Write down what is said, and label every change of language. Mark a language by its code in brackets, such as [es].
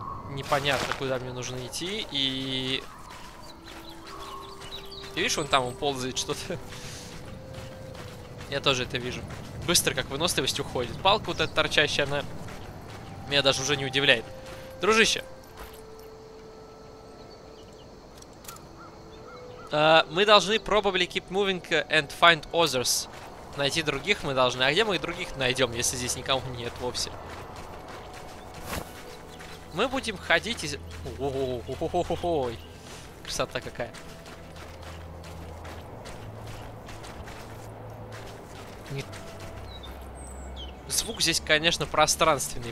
[ru] Непонятно, куда мне нужно идти. И... Ты видишь, вон там он ползает что-то? Я тоже это вижу. Быстро, как выносливость уходит. Палка вот эта торчащая, она меня даже уже не удивляет. Дружище. Мы должны [en] probably keep moving and find others. [ru] Найти других мы должны. А где мы других найдем, если здесь никого нет вовсе? Мы будем ходить из... Ой, красота какая. Нет. Звук здесь, конечно, пространственный.